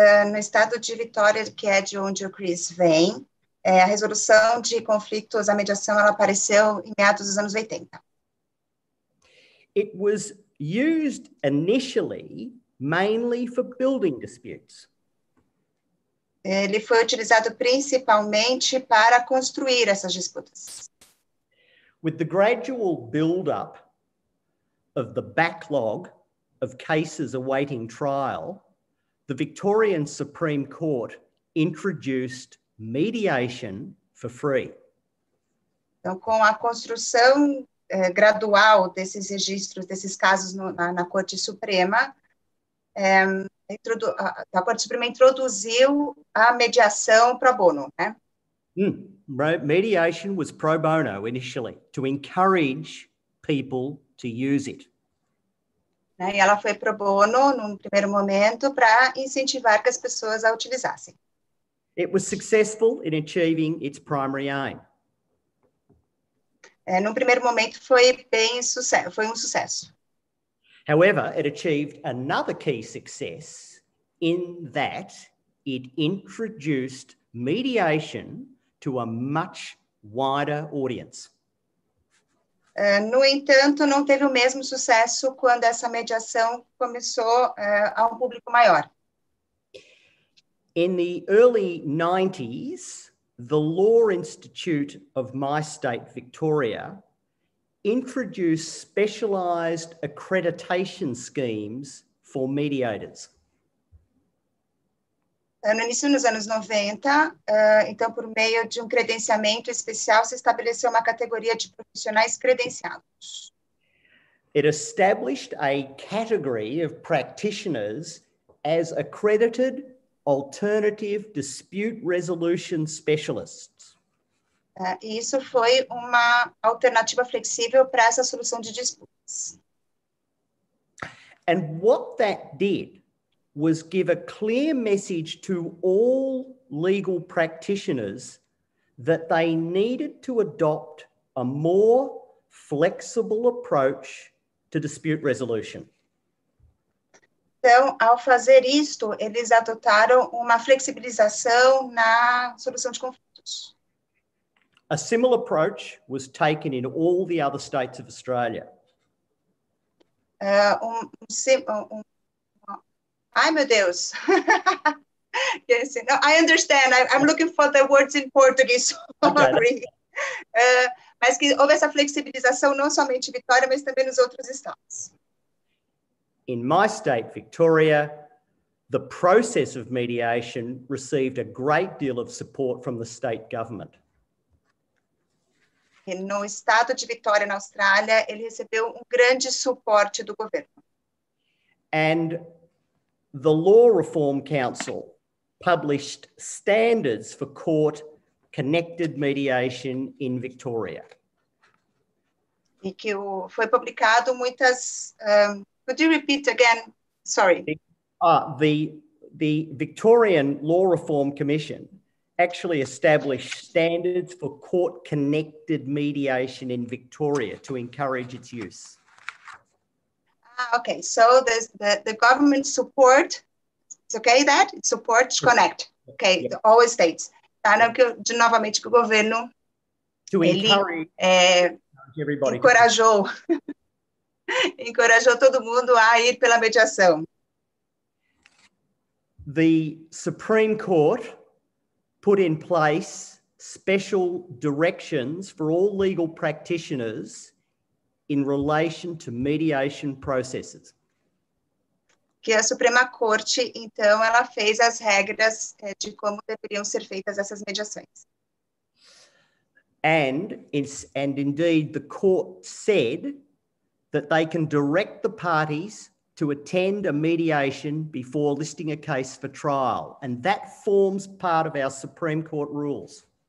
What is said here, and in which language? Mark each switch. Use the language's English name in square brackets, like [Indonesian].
[Portuguese] No estado de Vitória, que é de onde o Chris vem, a resolução de conflitos, a mediação, ela apareceu em meados dos anos 80. [English] It was used initially mainly for building disputes. [Portuguese] Ele foi utilizado principalmente para construir essas disputas. [English] With the gradual build-up of the backlog of cases awaiting trial, the Victorian Supreme Court introduced mediation for free. [Portuguese] Então, com a construção gradual desses registros, desses casos na Corte Suprema, a Corte Suprema introduziu a mediação pro bono, né? [English] Mediation was pro bono initially, to encourage people to use it. [Portuguese] E ela foi pro bono num primeiro momento para incentivar que as pessoas a utilizassem. [English] It was successful in achieving its primary aim. [Portuguese] No primeiro momento foi um sucesso. [English] However, it achieved another key success in that it introduced mediation to a much wider audience. [Portuguese] No entanto, não teve o mesmo sucesso quando essa mediação começou a um público maior. [English] In the early 90s, the Law Institute of my state, Victoria, introduced specialized accreditation schemes for mediators. [Portuguese] No início dos anos 90, então, por meio de credenciamento especial, se estabeleceu uma categoria de profissionais credenciados. [English] It established a category of practitioners as accredited alternative dispute resolution specialists. [Portuguese] Isso foi uma alternativa flexível para essa solução de disputas. [English] And what that did was give a clear message to all legal practitioners that they needed to adopt a more flexible approach to dispute resolution. [Portuguese] Então, ao fazer isto, eles adotaram uma flexibilização na solução de conflitos. [English] A similar approach was taken in all the other states of Australia. Yes, no, I understand. I'm looking for the words in Portuguese. Sorry. [Portuguese] Mas que houve essa flexibilização não somente em Vitória, mas também nos outros estados. [English] In my state, Victoria, the process of mediation received a great deal of support from the state government. [Portuguese] E no estado de Vitória, na Austrália, ele recebeu grande suporte do governo. [English] And the Law Reform Council published standards for court-connected mediation in Victoria. [Portuguese] E que foi publicado muitas... [English] could you repeat again? Sorry. The Victorian Law Reform Commission actually established standards for court-connected mediation in Victoria to encourage its use. Okay, so the government support, it's okay that? It supports connect, okay, yeah. All states. [Portuguese] De novamente, que o governo, encorajou todo mundo a ir pela mediação. [English] The Supreme Court put in place special directions for all legal practitioners in relation to mediation processes. [Portuguese] Que a Suprema Corte, então, ela fez as regras de como deveriam ser feitas essas mediações. [English] And indeed, the court said that they can direct the parties to attend a mediation before listing a case for trial. And that forms part of our Supreme Court rules.